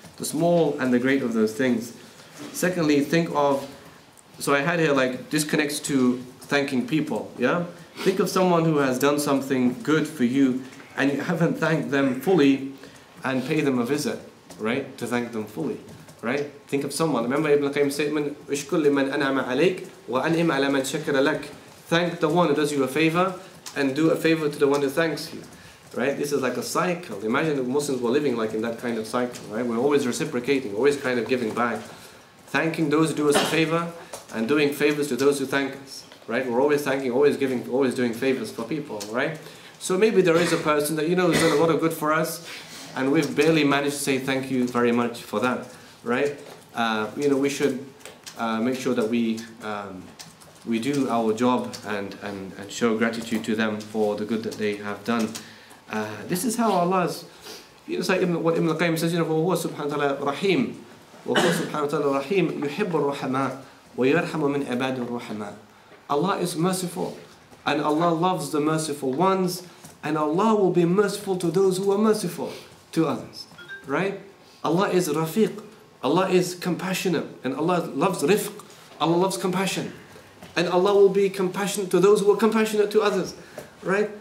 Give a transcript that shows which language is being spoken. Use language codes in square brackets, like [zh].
[en] The small and the great of those things. Secondly, think of... So I had here, like, this connects to thanking people, yeah? Think of someone who has done something good for you and you haven't thanked them fully, and pay them a visit, right? To thank them fully, right? Think of someone. Remember Ibn Qayyim's statement, [ar] اشكر لمن أنعم عليك وأنعم على من شكر لك. [en] Thank the one who does you a favor and do a favor to the one who thanks you, right? This is like a cycle. Imagine if Muslims were living like in that kind of cycle, right? We're always reciprocating, always kind of giving back. Thanking those who do us a favor and doing favors to those who thank us, right? We're always thanking, always giving, always doing favors for people, right? So maybe there is a person that, you know, has done a lot of good for us and we've barely managed to say thank you very much for that, right? You know, we should make sure that we do our job and show gratitude to them for the good that they have done. This is how Allah's, you know, [ar] like what Ibn al-Qayyim says, you know, وَهُوَ سُبْحَانَ وَتَعَالَى رَحِيمٌ وَهُوَ سُبْحَانَ وَتَعَالَى رَحِيمٌ يُحِبُّ الرَّحَمَاءَ وَيَرْحَمُ مِنْ عِبَادِ الرَّحَمَاءَ. [en] Allah is merciful, and Allah loves the merciful ones, and Allah will be merciful to those who are merciful to others, right? Allah is Rafiq, Allah is compassionate, and Allah loves Rifq, Allah loves compassion, and Allah will be compassionate to those who are compassionate to others, right?